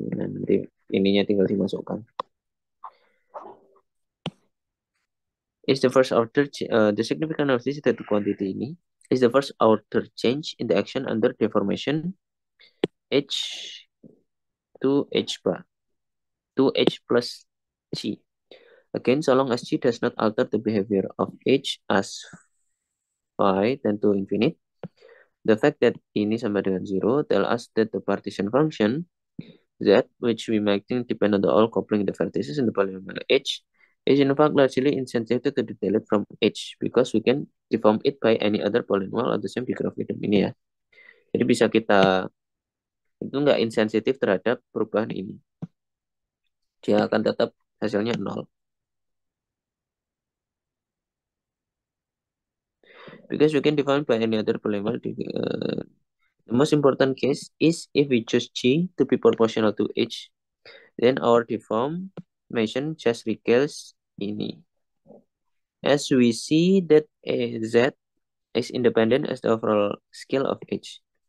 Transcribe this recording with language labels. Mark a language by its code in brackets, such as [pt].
[id] Nah, nanti ininya tinggal dimasukkan. [en] Is the first order the significance of this is that the quantity ini is the first order change in the action under deformation h to h bar to h plus g. Again, so long as g does not alter the behavior of h as phi tend to infinite, the fact that [id] ini sama dengan 0 [en] tell us that the partition function z which we might think depend on the all coupling the vertices in the polynomial h is in fact largely insensitive to the detailed from H because we can deform it by any other polynomial of the same degree of freedom ini ya. [id] Jadi bisa kita itu nggak insensitif terhadap perubahan ini. Dia akan tetap hasilnya nol. [en] Because we can deform by any other polynomial. The most important case is if we choose G to be proportional to H, then our deformation just recurs ini. As we see that Z is independent as the overall scale of H.